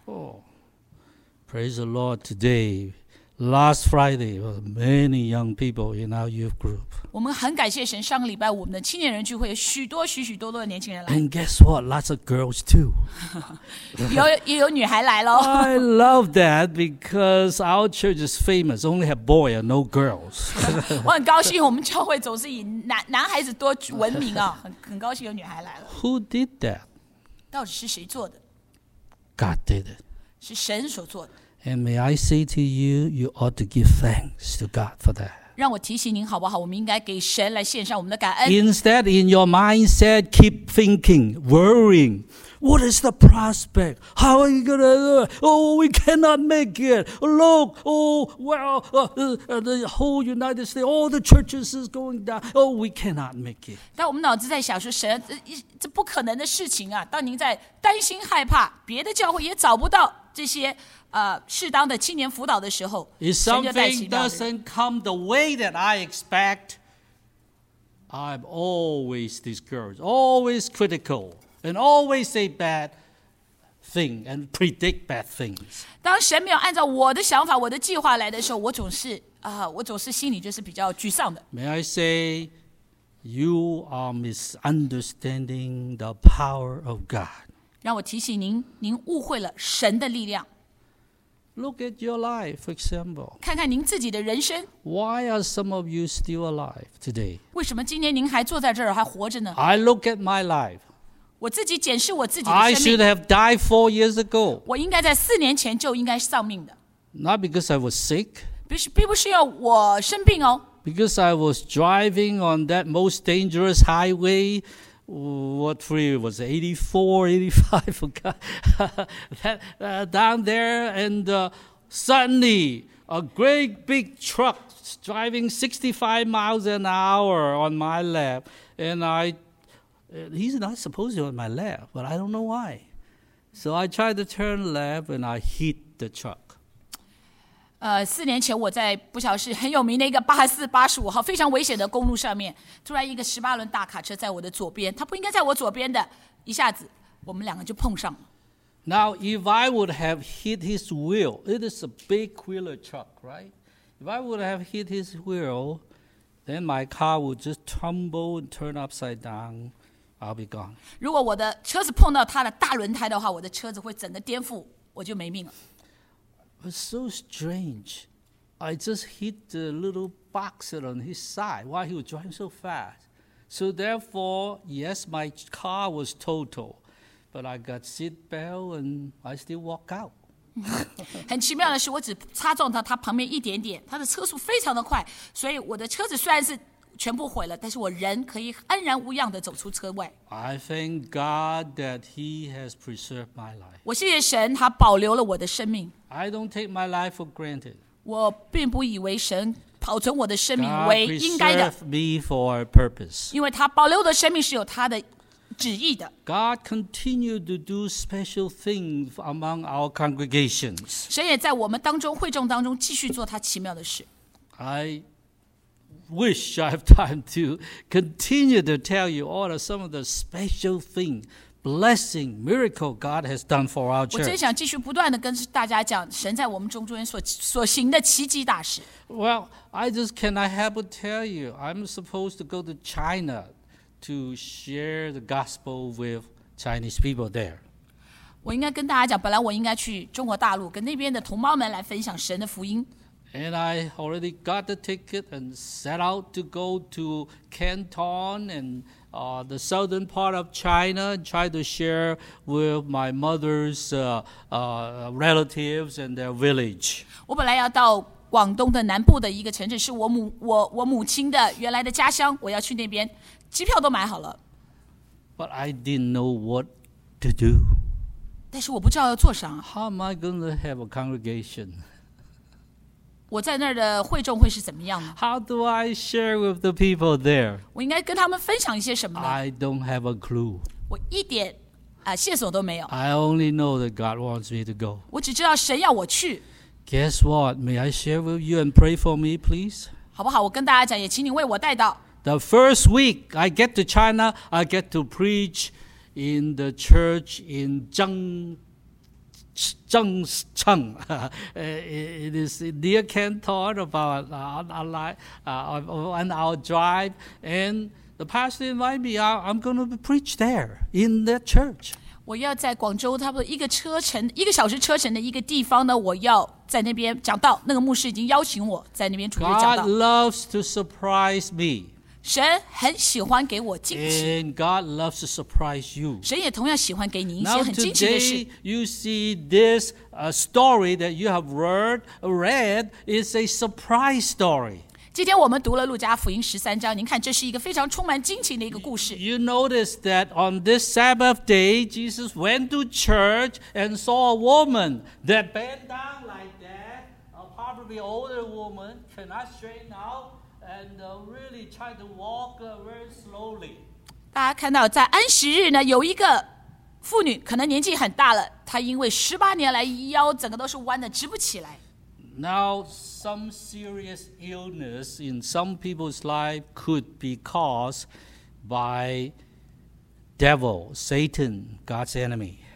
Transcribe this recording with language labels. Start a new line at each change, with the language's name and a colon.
English: Oh, praise the Lord today. Last Friday, many young people in our youth group.
Chinese: 我们很感谢神，上个礼拜我们的青年人聚会，许多许许多多的年轻人来。
English: And guess what? Lots of girls too.
Chinese: 也有女孩来喽。
English: I love that because our church is famous. Only have boy and no girls.
Chinese: 我很高兴，我们教会总是以男孩子多闻名啊，很高兴有女孩来了。
English: Who did that?
Chinese: 到底是谁做的？
English: God did it.
Chinese: 是神所做的。
English: And may I say to you, you ought to give thanks to God for that.
Chinese: 让我提醒您好不好？我们应该给神来献上我们的感恩。
English: Instead, in your mindset, keep thinking, worrying. What is the prospect? How are you gonna do it? Oh, we cannot make it. Look, the whole United States, all the churches is going down. Oh, we cannot make it.
Chinese: 当我们脑子在想说神，这不可能的事情啊！当您在担心害怕，别的教会也找不到这些。适当的青年辅导的时候
English: If something doesn't come the way that I expect I'm always discouraged Always critical And always say bad thing And predict bad things
Chinese: 当神没有按照我的想法我的计划来的时候我总是心里就是比较沮丧的
English: May I say You are misunderstanding the power of God
Chinese: 让我提醒您您误会了神的力量
English: Look at your life, for example.
Chinese: 看看您自己的人生。
English: Why are some of you still alive today?
Chinese: 为什么今年您还坐在这儿还活着呢？
English: I look at my life.
Chinese: 我自己检视我自己的生命。
English: I should have died 4 years ago.
Chinese: 我应该在四年前就应该丧命的。
English: Not because I was sick.
Chinese: 并不是要我生病哦。
English: Because I was driving on that most dangerous highway. What free was it? 84, 85, forgot. down there, and suddenly a great big truck driving 65 miles an hour on my lap. And he's not supposed to be on my lap, but I don't know why. So I tried to turn left and I hit the truck.
Chinese: 四年前我在不晓得是很有名的一个84、85号非常危险的公路上面，突然一个18轮大卡车在我的左边，它不应该在我左边的，一下子我们两个就碰上了。
English: Now if I would have hit his wheel, it is a big wheeler truck, right? If I would have hit his wheel, then my car would just tumble and turn upside down. I'll be gone.
Chinese: 如果我的车子碰到他的大轮胎的话，我的车子会整个颠覆，我就没命了。
English: It's so strange. I just hit the little box on his side while he was driving so fast. So therefore, yes, my car was total, but I got seat belt and I still walk out.
Chinese: 很奇妙的是，我只擦撞到他旁边一点点。他的车速非常的快，所以我的车子虽然是全部毁了，但是我人可以安然无恙的走出车外。
English: I thank God that He has preserved my life.
Chinese: 我谢谢神，他保留了我的生命。
English: I don't take my life for granted.
Chinese: 我并不以为神保存我的生命为应该的。
English: God preserved me for a purpose.
Chinese: 因为他保留的生命是有他的旨意的。
English: God continued to do special things among our congregations.
Chinese: 神也在我们当中会众当中继续做他奇妙的事。
English: I wish I have time to continue to tell you all of some of the special things. Blessing, miracle God has done for our church.
Chinese: 我真想继续不断地跟大家讲神在我们中间所行的奇迹大事。
English: Well, I just cannot help but tell you, I'm supposed to go to China to share the gospel with Chinese people there.
Chinese: 我应该跟大家讲，本来我应该去中国大陆跟那边的同胞们来分享神的福音。
English: And I already got the ticket and set out to go to Canton and the southern part of China and try to share with my mother's relatives and their village.
Chinese: 我本来要到广东的南部的一个城镇，是我母亲的原来的家乡，我要去那边，机票都买好了。
English: But I didn't know what to do.
Chinese: 但是我不知道要做啥。
English: How am I going to have a congregation?
Chinese: 我在那儿的会众会是怎么样的
English: ？How do I share with the people there？
Chinese: 我应该跟他们分享一些什么
English: ？I don't have a clue。
Chinese: 我一点线索都没有。
English: I only know that God wants me to go。
Chinese: 我只知道神要我去。
English: Guess what? May I share with you and pray for me, please？
Chinese: 好不好？我跟大家讲，也请你为我带到。
English: The first week I get to China, I get to preach in the church in Zheng Zheng Cheng. It is near Canton, about on our drive. And the pastor invited me out. I'm going to preach there in that church.
Chinese: 我要在广州差不多一个车程，一个小时车程的一个地方呢，我要在那边讲道。那个牧师已经邀请我在那边主日讲道。
English: God loves to surprise me.
Chinese: 神很喜欢给我惊喜。
English: And God loves to surprise you.
Chinese: 神也同样喜欢给你一些很惊奇的事。
English: Now today you see this story that you have read is a surprise story.
Chinese: 今天我们读了路加福音十三章，您看这是一个非常充满惊奇的一个故事。
English: You notice that on this Sabbath day, Jesus went to church and saw a woman that bent down like that, a probably older woman, cannot straighten out and really tried to walk very slowly.
Chinese: 大家看到在安息日呢，有一个妇女，可能年纪很大了，她因为十八年来腰整个都是弯的，直不起来。
English: Now, some serious illness in some people's life could be caused by devil, Satan, God's enemy.